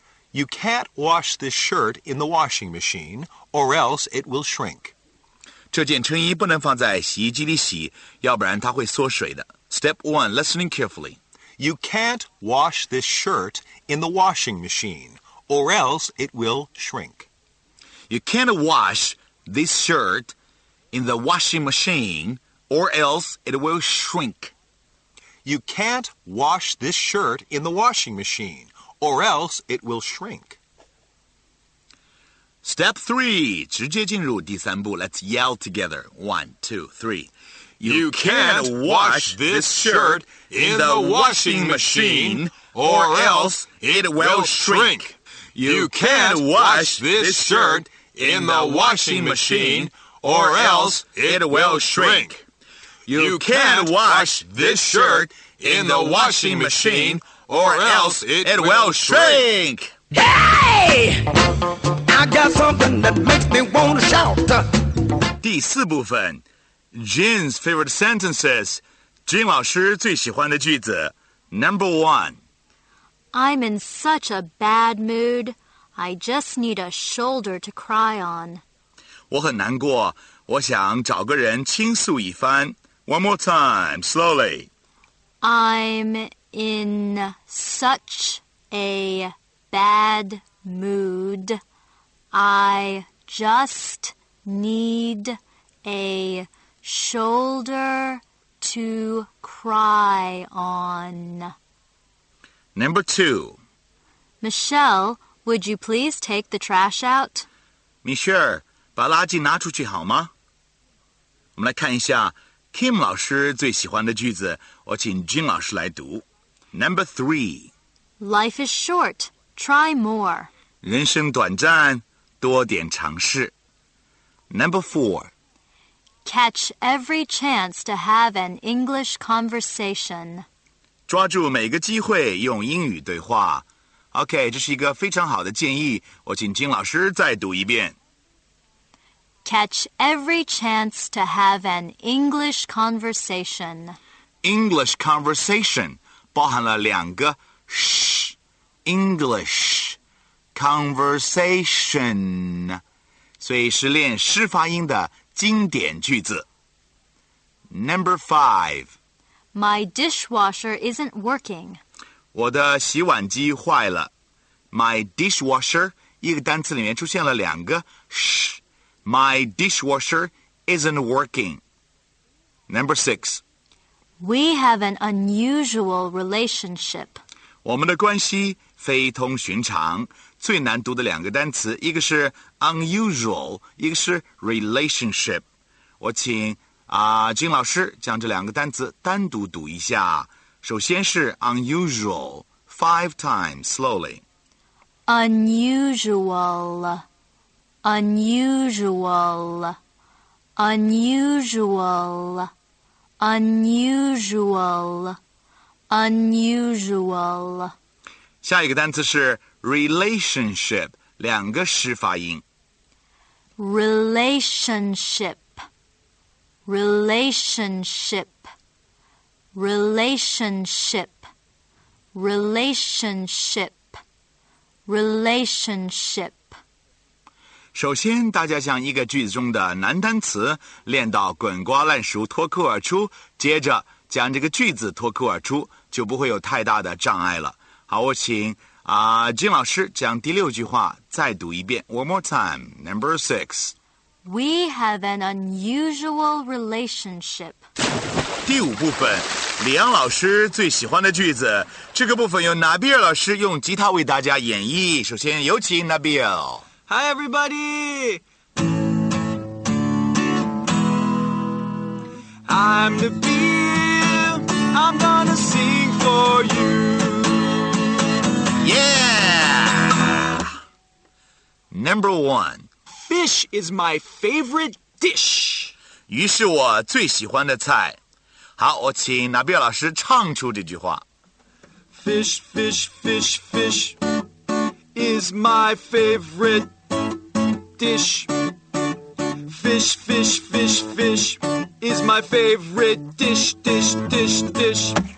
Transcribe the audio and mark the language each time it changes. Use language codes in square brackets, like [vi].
[en] You can't wash this shirt in the washing machine or else it will shrink. [zh] 这件衬衣不能放在洗衣机里洗,要不然它会缩水的. [en] Step 1. Listening carefully. You can't wash this shirt in the washing machine, or else it will shrink. You can't wash this shirt in the washing machine, or else it will shrink. You can't wash this shirt in the washing machine, or else it will shrink. Step 3, [zh] 直接进入第三步, [en] let's yell together. 1, 2, 3. You can't wash this shirt in the washing machine, or else it will shrink. You can't wash this shirt in the washing machine, or else it will shrink. You can't wash this shirt in the washing machine, or else it will shrink. Hey! I got something that makes me want to shout. [zh] 第四部分。 [en] Jim's favorite sentences. [zh] Jim 老师最喜欢的句子 [en] Number 1. I'm in such a bad mood. I just need a shoulder to cry on. [zh] 我很难过，我想找个人倾诉一番。 [en] One more time, slowly. I'm in such a bad mood. I just need a... Shoulder to cry on. Number 2. Michelle, would you please take the trash out? [zh] Michelle, 把垃圾拿出去好吗？我们来看一下 Kim 老师最喜欢的句子，我请 Jim 老师来读。 [en] Number 3. Life is short. Try more. [zh] 人生短暂，多点尝试。 [en] Number 4. Catch every chance to have an English conversation. [zh] 抓住每个机会用英语对话。OK, 这是一个非常好的建议。我请金老师再读一遍。 [en] Catch every chance to have an English conversation. English conversation [zh] 包含了两个 sh, English conversation. 所以是练诗发音的经典句子 [en] Number 5 My dishwasher isn't working [zh] 我的洗碗机坏了 My dishwasher 一个单词里面出现了两个 sh [en] My dishwasher isn't working Number 6 We have an unusual relationship [zh] 我们的关系非同寻常最难读的两个单词一个是 unusual 一个是 relationship 我请、金老师将这两个单词单独读一下首先是 unusual [en] 5 times slowly unusual unusual unusual unusual unusual [zh] 下一个单词是Relationship, 两个诗发音。 [en] Relationship, relationship, relationship, relationship, relationship. [zh] 首先，大家将一个句子中的难单词练到滚瓜烂熟、脱口而出，接着将这个句子脱口而出，就不会有太大的障碍了。好，我请金老师将第六句话再读一遍。 [en] One more time, number six. We have an unusual relationship. [zh] 第五部分，李阳老师最喜欢的句子，这个部分由纳比尔老师用吉他为大家演绎。首先，有请纳比尔。 [en] Hi, everybody! I'm the beer, I'm gonna sing for you. Yeah! Number one. Fish is my favorite dish. [zh] 鱼是我最喜欢的菜。好，我请纳比尔老师唱出这句话。 [en] Fish, fish, fish, fish is my favorite dish. Dish. Fish, fish, fish, fish is my favorite dish, dish, dish, dish.